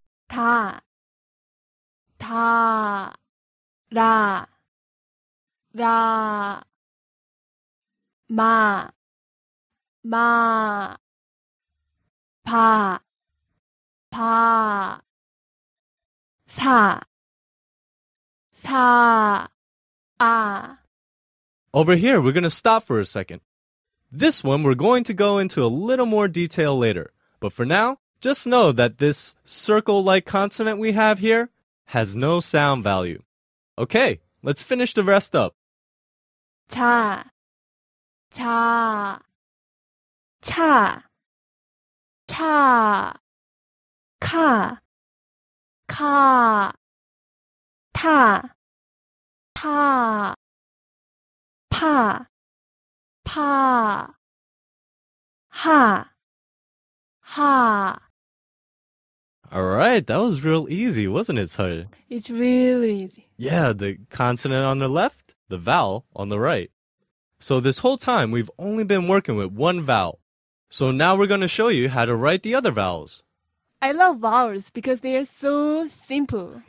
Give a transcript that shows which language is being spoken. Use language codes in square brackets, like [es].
[ko] 다, 다, 라, 라, 마, 마, 바, 바, 사, 사, 아. [en] Over here, we're going to stop for a second. This one, we're going to go into a little more detail later. But for now, just know that this circle-like consonant we have here has no sound value. Okay, let's finish the rest up. [ko] 자, 자, 차, 차, 카, 카, 타, 타, 파, 파, 하, 하. [en] All right, that was real easy, wasn't it, 설? It's really easy. Yeah, the consonant on the left, the vowel on the right. So this whole time, we've only been working with one vowel. So now we're going to show you how to write the other vowels. I love vowels because they are so simple.